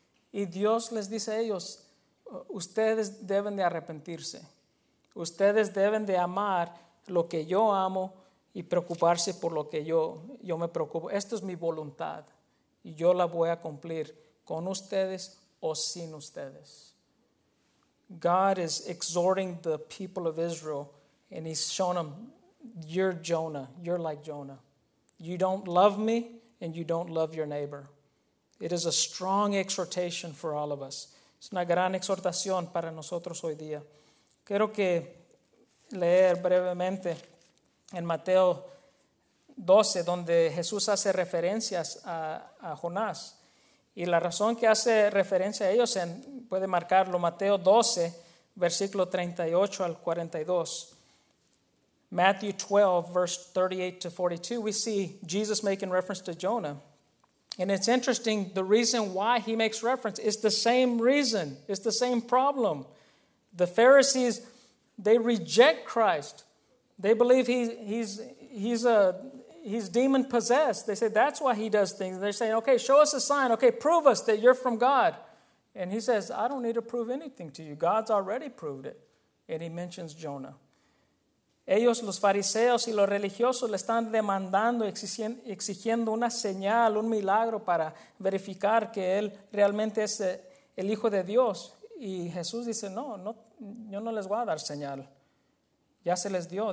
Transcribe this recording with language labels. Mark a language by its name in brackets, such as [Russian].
[Spanish] Y Dios les dice a ellos: ustedes deben de arrepentirse, ustedes deben de amar lo que yo amo y preocuparse por lo que yo me preocupo. Esto es mi voluntad y yo la voy a cumplir con ustedes o sin ustedes. [English] God is exhorting the people of Israel and he's shown them, you're Jonah, you're like Jonah. You don't love me and you don't love your neighbor. It is a strong exhortation for all of us. [Spanish] Es una gran exhortación para nosotros hoy día. Quiero que leer brevemente en Mateo 12, donde Jesús hace referencias a Jonás. Y la razón que hace referencia a ellos, puede marcarlo, Mateo 12, versículo 38 al 42. [English] Matthew 12, verse 38 to 42, we see Jesus making reference to Jonah. And it's interesting, the reason why he makes reference is the same reason, it's the same problem. The Pharisees, they reject Christ. They believe he's demon-possessed. They say, that's why he does things. They're saying, okay, show us a sign. Okay, prove us that you're from God. And he says, I don't need to prove anything to you. God's already proved it. And he mentions Jonah. [Spanish] Ellos, los fariseos y los religiosos, le están demandando, exigiendo una señal, un milagro para verificar que él realmente es el Hijo de Dios. Y Jesús dice, no, yo no les voy a dar señal. Ya se les dio.